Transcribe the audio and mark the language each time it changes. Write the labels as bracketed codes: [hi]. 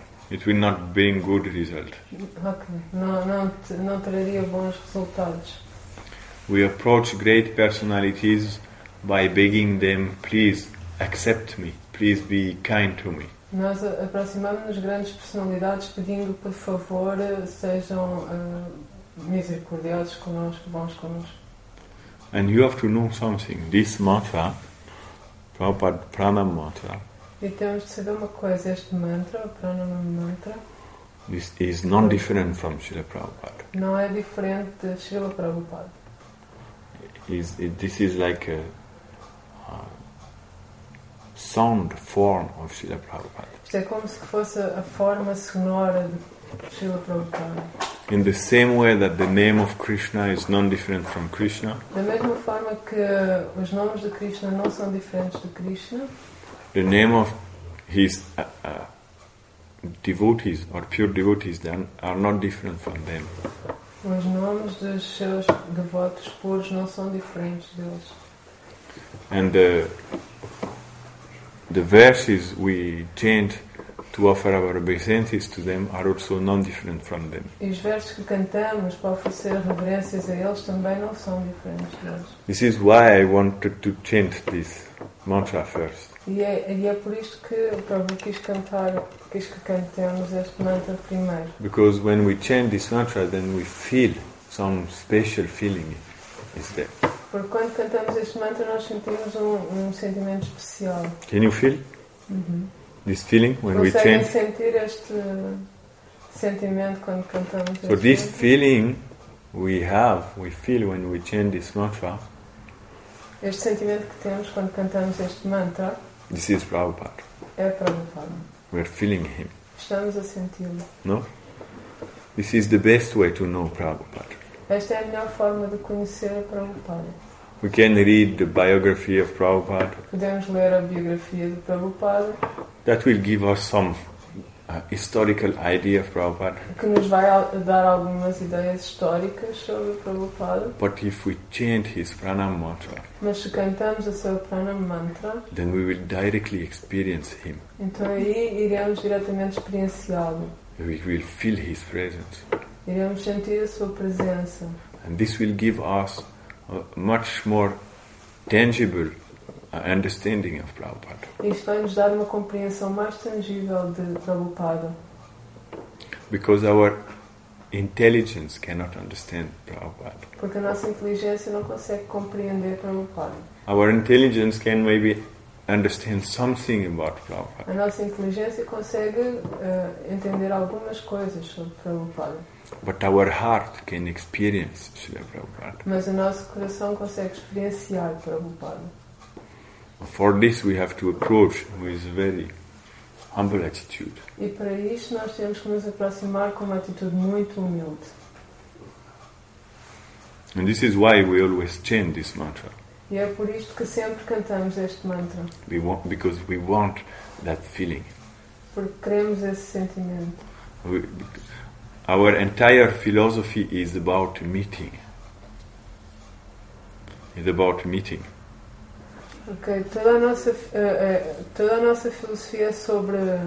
[en] It will not bring good result. Okay. Not really [pt] bons resultados. [en] We approach great personalities by begging them, please accept me, please be kind to me. [pt] Nós aproximamos-nos grandes personalidades pedindo, por favor, sejam misericordiosos connosco, bons connosco. [en] And you have to know something. This mantra, Prabhupada Pranam mantra. [pt] E temos de saber uma coisa. Este mantra, Pranam mantra. [en] This is non-different from Srila Prabhupada. [pt] Não é diferente de Srila Prabhupada. [en] This is like a sound form of Srila Prabhupada. [pt] Isto é como se fosse a forma sonora de Srila Prabhupada. [en] In the same way that the name of Krishna is non-different from Krishna. [pt] Da mesma forma que os nomes de Krishna não são diferentes de Krishna. [en] The name of his devotees or pure devotees then are not different from them. [pt] Os nomes dos seus devotos puros não são diferentes deles. [en] And the verses we chant to offer our obeisances to them are also non-different from them. [pt] E os versos que cantamos para oferecer reverências a eles também não são diferentes deles. [en] This is why I wanted to chant this mantra first. [pt] E é por isto que o Prabhupada quis que cantemos este mantra primeiro. [en] Because when we chant this mantra, then we feel some special feeling is there. [pt] Porque quando cantamos este mantra, nós sentimos um sentimento especial. [en] Can you feel? This feeling when we chant. [pt] Conseguem sentir este sentimento quando cantamos este [en] mantra? So this feeling we feel when we chant this mantra. [pt] Este sentimento que temos quando cantamos este mantra. [en] This is Prabhupada. [pt] É Prabhupada. [en] We are feeling him. [pt] Estamos a senti-lo. [en] No? This is the best way to know Prabhupada. [pt] Esta é a melhor forma de conhecer Prabhupada. [en] We can read the biography of Prabhupada. [pt] Podemos ler a biografia de Prabhupada. [en] That will give us some historical idea of Prabhupada. [pt] Que nos vai dar algumas ideias históricas sobre Prabhupada. [en] But if we chant his Pranam mantra. [pt] Mas se cantamos o seu Pranam mantra. [en] Then we will directly experience him. [pt] Então aí iremos diretamente experienciá-lo. [en] We will feel his presence. [pt] Iremos sentir a sua presença. [en] And this will give us a much more tangible understanding of Prabhupada. [pt] Isto vai nos dar uma compreensão mais tangível de Prabhupada. [en] Because our intelligence cannot understand Prabhupada. [pt] Porque a nossa inteligência não consegue compreender Prabhupada. [en] Our intelligence can maybe understand something about Prabhupada. [pt] A nossa inteligência consegue entender algumas coisas sobre Prabhupada. [en] But our heart can experience Srila Prabhupada. [pt] Mas o nosso coração consegue experienciar Prabhupada. [en] For this we have to approach with a very humble attitude. [pt] E para isso nós temos que nos aproximar com uma atitude muito humilde. [en] And this is why we always chant this mantra. [pt] E é por isto que sempre cantamos este mantra. [en] Because we want that feeling. [pt] Porque queremos esse sentimento. [en] Our entire philosophy is about meeting. It's about meeting. [pt] Okay, toda a nossa filosofia é sobre